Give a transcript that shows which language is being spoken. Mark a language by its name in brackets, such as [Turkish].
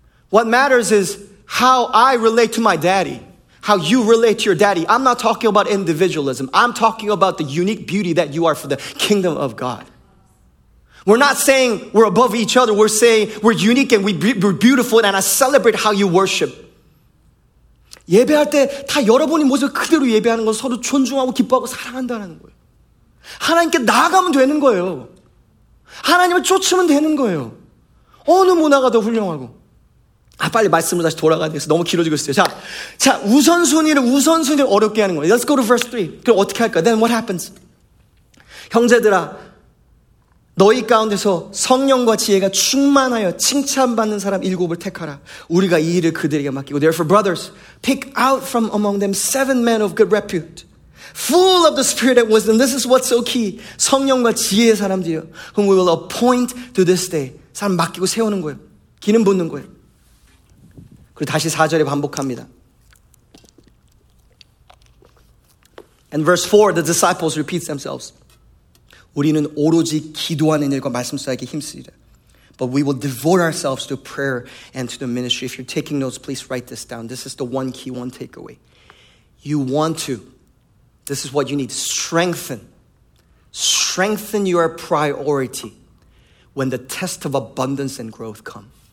[English] What matters is how I relate to my daddy, how you relate to your daddy. I'm not talking about individualism. I'm talking about the unique beauty that you are for the kingdom of God. We're not saying we're above each other. We're saying we're unique and we're beautiful, and I celebrate how you worship. [Korean] 예배할 때 다 여러분이 모습 그대로 예배하는 건 서로 존중하고 기뻐하고 사랑한다는 거예요. 하나님께 나아가면 되는 거예요. 하나님을 쫓으면 되는 거예요. 어느 문화가 더 훌륭하고. 아, 빨리 말씀으로 다시 돌아가야 돼서 너무 길어지고 있어요. 자, 우선순위를 어렵게 하는 거예요. [English] Let's go to verse 3. [Korean] 그럼 어떻게 할까? [English] Then what happens? [Korean] 형제들아, 너희 가운데서 성령과 지혜가 충만하여 칭찬받는 사람 일곱을 택하라. 우리가 이 일을 그들에게 맡기고. [English] Therefore, brothers, pick out from among them seven men of good repute. Full of the spirit and wisdom. This is what's so key. [Korean] 성령과 지혜의 사람들이요. [English] Whom we will appoint to this day. [Korean] 사람 맡기고 세우는 거예요. 기름 붓는 거예요. 그리고 다시 4절에 반복합니다. [English] And verse 4, the disciples repeat themselves. [Korean] 우리는 오로지 기도하는 일과 말씀 속에 힘쓰리라. [English] But we will devote ourselves to prayer and to the ministry. If you're taking notes, please write this down. This is the one key, one takeaway. You want to. This is what you need. Strengthen. Strengthen your priority when the test of abundance and growth come.